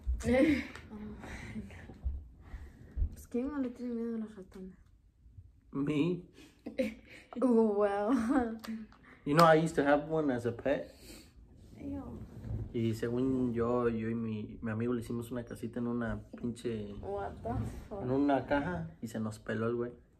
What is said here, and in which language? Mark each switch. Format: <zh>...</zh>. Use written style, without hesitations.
<es>Pues, ¿quién no le tiene miedo a los ratones?</es> <en>Me. Oh, well. You know, I used to have one as a pet.</en> <es>Y según yo y mi amigo le hicimos una casita en una pinche...</es> <en>What the fuck?</en> <es>En una caja y se nos peló el güey.</es>